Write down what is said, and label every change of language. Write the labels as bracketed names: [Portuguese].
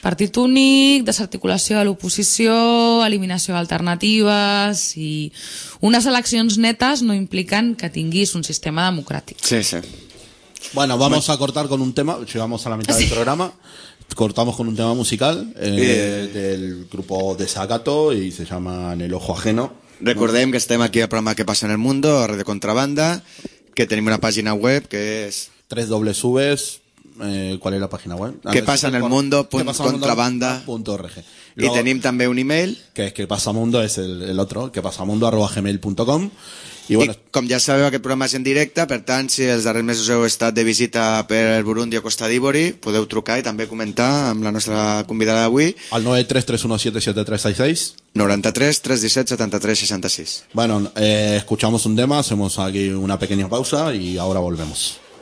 [Catalan] Partit únic, desarticulació de l'oposició, eliminació d'alternatives i unes eleccions netes no impliquen que tinguis un sistema democràtic. Sí, sí. [Spanish] Bueno, vamos a cortar con un tema, llegamos a la mitad del programa. Cortamos con un tema musical del grupo Desacato y se llama En el ojo ajeno. [Catalan] Recordem que estem aquí al programa Que passa en el mundo, a Radio Contrabanda, que tenim una pàgina web que és... [Spanish] www. ¿Cuál es la pàgina web? [Catalan] Que passa en el mundo.contrabanda.org. I tenim també un email. Que és que pasamundo, és el otro, quepasamundo@gmail.com. I bueno, com ja sabeu, aquest programa és en directe, per tant, si els darrers mesos heu estat de visita per Burundi o Costa d'Ivori, podeu trucar i també comentar amb la nostra convidada d'avui. Al 933177366. 933177366. [Spanish] Bueno, escuchamos un tema, hacemos aquí una pequeña pausa y ahora volvemos.